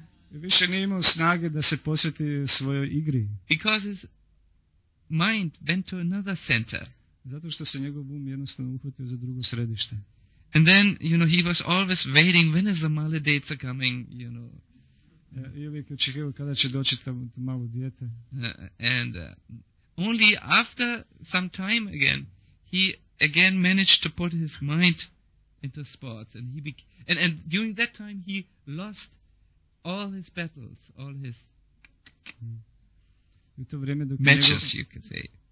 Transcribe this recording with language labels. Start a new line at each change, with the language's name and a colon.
Croatian: Više nije imao snage da se posveti svojoj igri.
English: Because his mind went to another center.
Croatian: Zato što se njegov um jednostavno uhvatio za drugo središte.
English: And then, you know, he was always waiting when is the male date coming, you know.
Croatian: I uvijek očekivao kada će doći to malo dijete.
English: And only after some time again, he again managed to put his mind into sports. And and during that time he lost all his battles, all his matches, you could say.